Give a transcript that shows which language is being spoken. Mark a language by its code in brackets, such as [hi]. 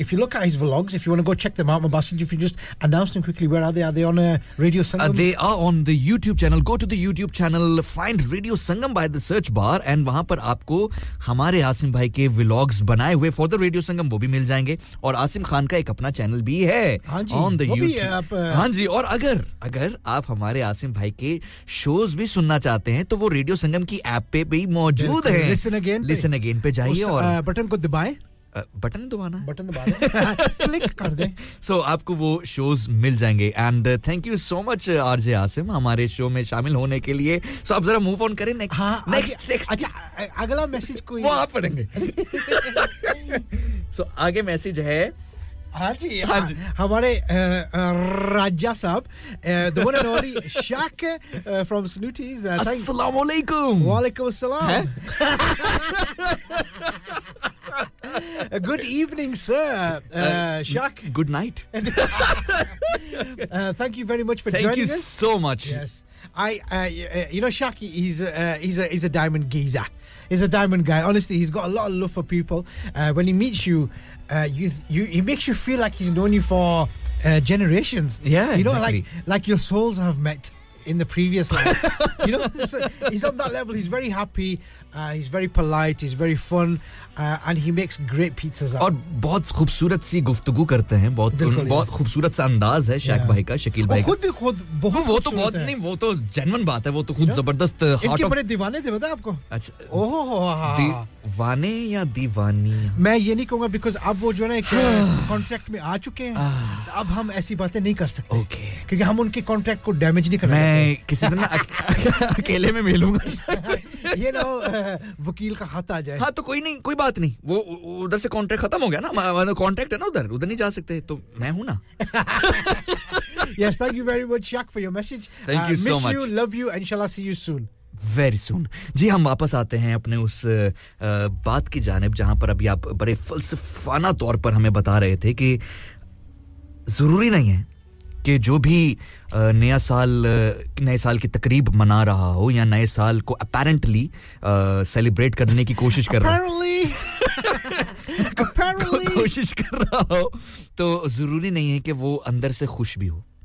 [en] If you look at his vlogs, if you want to go check them out, Mabasid, if you just announce them quickly, where are they? Are they on Radio Sangam? They are on the YouTube channel. Go to the YouTube channel, find Radio Sangam by the search bar, and [hi] वहाँ पर आपको हमारे आसिम भाई के vlogs बनाए हुए [en] for the Radio Sangam [hi] वो भी मिल जाएंगे और आसिम खान का एक अपना channel भी है on the YouTube. हाँ जी और अगर आप हमारे आसिम भाई के shows भी सुनना चाहते हैं तो वो Radio Sangam की app पे भी मौजूद हैं. [en] Listen again [hi] पे जाइए और button को दबाए. बटन दबाना क्लिक कर दें सो आपको वो शोज मिल जाएंगे [en] and thank you so much [hi] RJ Asim हमारे शो में शामिल होने के लिए सो आप जरा मूव ऑन करें नेक्स्ट अगला मैसेज कोई वो आप पढ़ेंगे So, आगे message है. हाँ जी, हाँ जी. हमारे राजा साहब, [en] the one and only Shaq from Snooties. [ar] Assalamu alaikum. Waalaikum assalam. [en] Good evening, sir. Shaq. Good night. Thank you very much for joining us. Thank you so much. Yes. I, you know, Shaq, he's a diamond geezer. He's a diamond guy. Honestly, he's got a lot of love for people. When he meets you, he makes you feel like he's known you for generations. Yeah, you know, exactly. like your souls have met in the previous life. You know, he's on that level. He's very happy. He's very polite. He's very fun. And he makes great pizzas. [hi] And बहुत खूबसूरत सी गुफ्तगु करते हैं. बहुत खूबसूरत सा अंदाज है शैक भाई का, शकील भाई का. खुद भी खुद बहुत. वो तो बहुत नहीं, वो तो genuine बात है. वो तो खुद जबरदस्त. इनके बड़े दीवाने थे बता आपको. अच्छा. ओह हो हाँ. दीवाने या दीवानी. मैं ये नहीं कहूँगा, because अब वो जो ना एक contract में आ चुके हैं. अब हम ऐसी बातें नहीं कर सकते. Okay. क्योंकि हम उनके contract को damage नहीं कर सकते. मैं किसी दिन ना अकेले में मिलूंगा. ये ना वकील का खाता आ जाए. हाँ तो कोई नहीं, कोई बात नहीं. वो उधर से कॉन्ट्रैक्ट खत्म हो गया ना. कॉन्ट्रैक्ट है ना उधर, उधर नहीं जा सकते. तो मैं हूँ ना. [en] Yes, thank you very much, Shaq, for your message. Thank you so much. Miss you, love you, and shall I see you soon. Very soon. [hi] जी हम वापस आते हैं अपने उस बात की जानिब जहाँ पर अभी आप बड़े फलसफाना तौर पर हमें बता रहे थे कि जरूरी नहीं है कि जो भी नए साल की तकरीब मना रहा हो या नए साल को अपेरेंटली सेलिब्रेट करने की कोशिश कर रहा कोशिश कर रहा हो तो जरूरी नहीं है कि वो अंदर से खुश भी हो.